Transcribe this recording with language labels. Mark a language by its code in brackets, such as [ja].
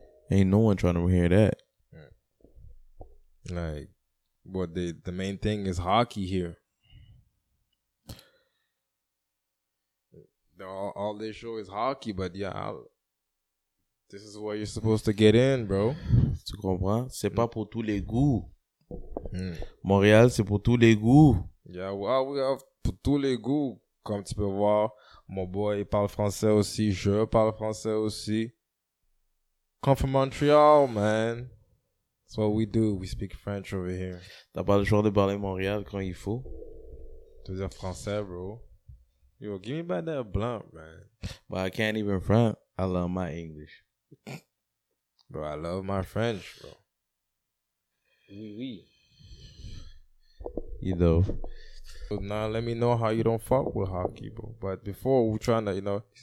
[en] Ain't no one trying to hear that. Like, but the main thing is hockey here. all they show is hockey, but yeah, this is what you're supposed to get in, bro. [fr] Tu comprends? C'est pas pour tous les goûts. Montréal, c'est pour tous les goûts. [en] Yeah, well, we have [fr] pour tous les goûts. Comme tu peux voir, mon boy parle français aussi. Je parle français aussi. [en] Come from Montreal, man. That's what we do. We speak French over here. [fr] T'as pas le choix de parler Montréal quand il faut. Tu veux dire français, bro? [en] Yo, give me back that blunt, man. But I can't even front. I love my English. Bro, I love my French, bro. [fr] Oui, oui. [en] You know. So now let me know how you don't fuck with hockey, bro. But before, we're trying to, you know.